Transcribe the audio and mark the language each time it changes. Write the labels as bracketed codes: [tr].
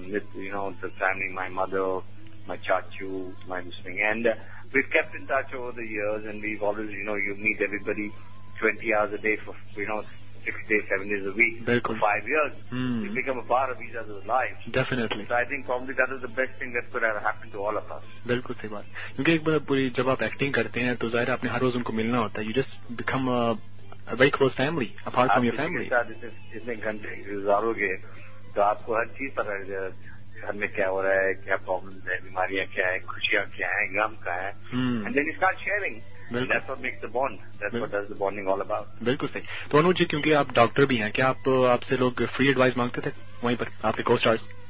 [en] With, you know, the family, my mother, my chachu, my listening. And we've kept in touch over the years, and we've always, you know, you meet everybody 20 hours a day for, you know, 6 days, 7 days a week for 5 years. Mm. You become a part of each other's lives. Definitely. So I think probably that is the best thing that could have happened to all of us. [hi] बिल्कुल सही बात. क्योंकि एक बार पूरी जब आप acting करते हैं तो जाहिर है आपने हर रोज उनको मिलना होता है. [en] You just become a very close family apart from your family. [hi] इतने घंटे गुजारोगे तो आपको हर चीज पता चल जाएगा. घर में क्या हो रहा है, क्या प्रॉब्लम है, बीमारियां क्या है, खुशियां क्या है, गम क्या है. [en] And then you start sharing. That's what makes the bond. That's what does the bonding all about. [hi] बिल्कुल सही. तो अनुज जी, क्योंकि आप डॉक्टर भी हैं, क्या आप आपसे लोग फ्री एडवाइस मांगते थे वहीं पर आपके को स्टार्स?